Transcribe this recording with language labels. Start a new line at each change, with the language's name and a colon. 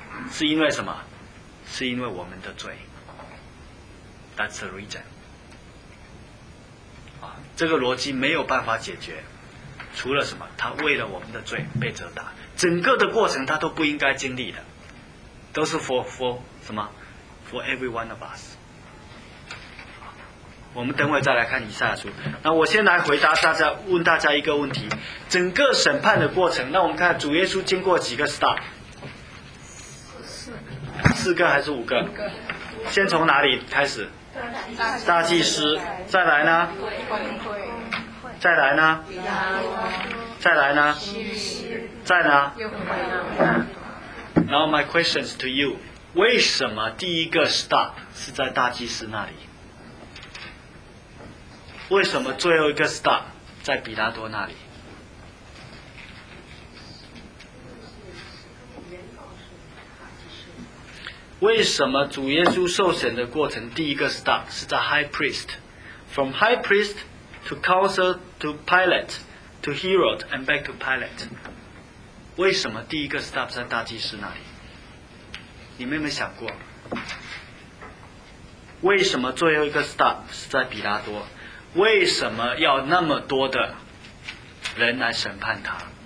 Chinese: 是因为什么？是因为我们的罪。
English: That's the reason。
Chinese: 啊，这个逻辑没有办法解决，除了什么？他为了我们的罪被责打，整个的过程他都不应该经历的。都是 for 什么
English: for every one of us。
Chinese: 我们等会再来看以赛亚书。那我先来回答大家，问大家一个问题，整个审判的过程，那我们看主耶稣经过几个 stop？四个还是五个？先从哪里开始？大祭司，再来呢？再来呢？再来呢？再呢？
English: Now my questions to you，
Chinese: 为什么第一个 stop 是在大祭司那里？为什么最后一个 stop 在比拉多那里？为什么主耶稣受审的过程第一个 stop 是在
English: high priest， from high priest to council to Pilate
Chinese: to Herod and back to Pilate？为什么第一个 stop 在大祭司那里？你们有没有想过，为什么最后一个 stop 是在比拉多？为什么要那么多的人来审判他？